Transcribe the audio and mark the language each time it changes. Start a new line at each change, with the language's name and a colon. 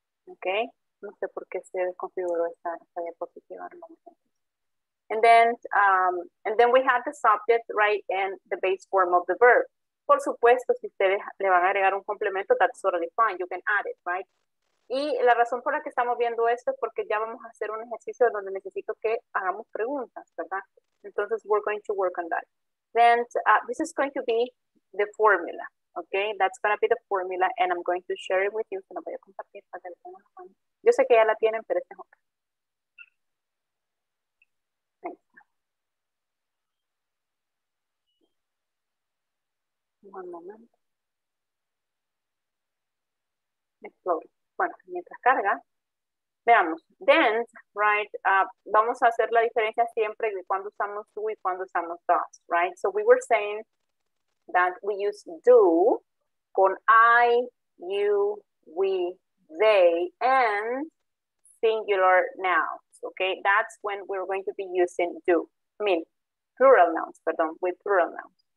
Spanish: Okay, no sé por qué se configuró esta diapositiva.
English: And then we have the subject, right, and the base form of the verb.
Spanish: Por supuesto, si ustedes le van a agregar un complemento,
English: that's totally fine, you can add it,
Spanish: right? Y la razón por la que estamos viendo esto es porque ya vamos a hacer un ejercicio donde necesito que hagamos preguntas, ¿verdad?
English: Entonces, we're going to work on that. Then, this is going to be the formula. Okay, that's going to be the formula, and I'm going to share it with you.
Spanish: Se lo voy a compartir para que lo tengan a mano. Yo sé que ya la tienen, pero esta es otra. Ahí está.
English: One moment.
Spanish: Explore. Bueno, mientras carga, veamos.
English: Dance, right?
Spanish: Vamos a hacer la diferencia siempre de cuando usamos do y cuando usamos does, right?
English: So we were saying that we use do con I, you, we, they, and singular nouns, okay? That's when we're going to be using do. I mean, plural nouns, pardon, with plural nouns.